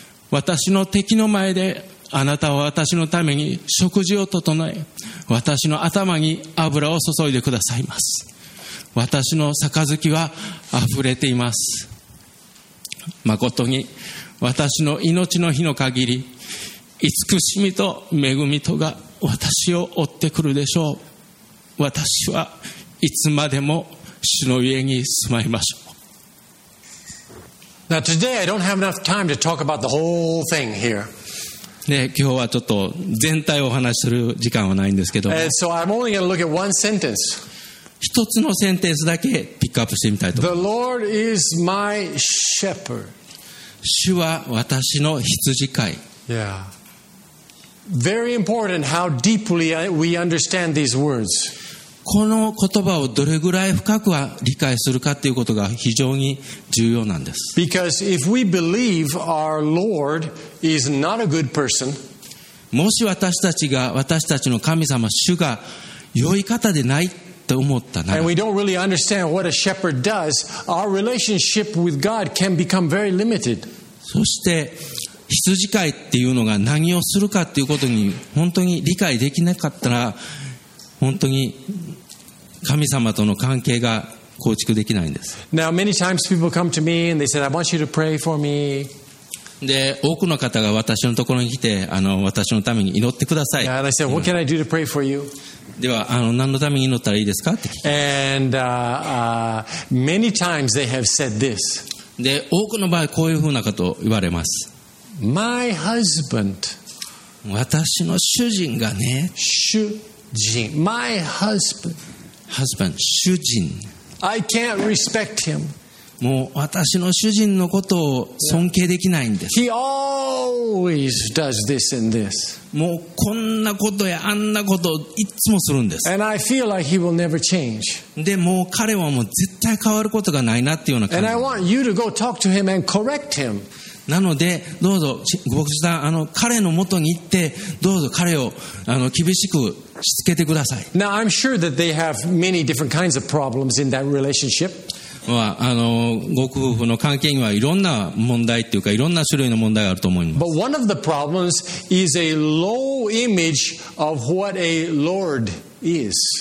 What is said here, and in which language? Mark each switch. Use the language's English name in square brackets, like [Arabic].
[Japanese] 私の敵の前であなたは私のために食事を整え、私の頭に油を注いでくださいます。私の杯は溢れています。まことに私の命の日の限り、慈しみと恵みとが私を追ってくるでしょう。私はいつまでも主の家に住まいましょう。 [English] Now today I don't have enough time to talk about the whole thing here. [Japanese] ね、今日はちょっと全体をお話しする時間はないんですけども。 [English] So I'm only going to look at one sentence. [Japanese] 一つのセンテンスだけピックアップしてみたいと思います。 [English] The Lord is my shepherd. [Japanese] 主は私の羊飼い。 Yeah. [English] Very important how deeply we understand these words. [Japanese] この言葉をどれぐらい深くは理解するかということが非常に重要なんです。 [English] Because if we believe our Lord is not a good person, [Japanese] もし私たちの神様主が良い方でないと思ったなら、 [English] and we don't really understand what a shepherd does, our relationship with God can become very limited. [Japanese] そして羊飼いっていうのが何をするかということに本当に理解できなかったら、本当に神様との関係が構築できないんです。 [English] Now many times people come to me and they said, "I want you to pray for me." [Japanese] で、多くの方が私のところに来て、私のために祈ってください。 [English] And I said, "What can I do to pray for you?" [Japanese] では、何のために祈ったらいいですかって聞いて。 [English] And many times they have said this. [Japanese] で、多くの場合こういうふうなことを言われます。 [English] My husband. [Japanese] 私の主人がね。 [English] My husband. Husband. 主人。 I can't respect him. [Japanese] もう私の主人のことを尊敬できないんです。 [English] He always does this and this. [Japanese] もうこんなことやあんなことをいつもするんです。 [English] And I feel like he will never change. [Japanese] でもう彼はもう絶対変わることがないなっていうような感じ。 [English] And I want you to go talk to him and correct him. [Japanese] なのでどうぞ牧師さん、彼の元に行ってどうぞ彼を厳しくしつけてください。 [English] Now, I'm sure that they have many different kinds of problems in that relationship. [Japanese] ご夫婦の関係にはいろんな問題っていうかいろんな種類の問題があると思います。 [English] But one of the problems is a low image of what a Lord is.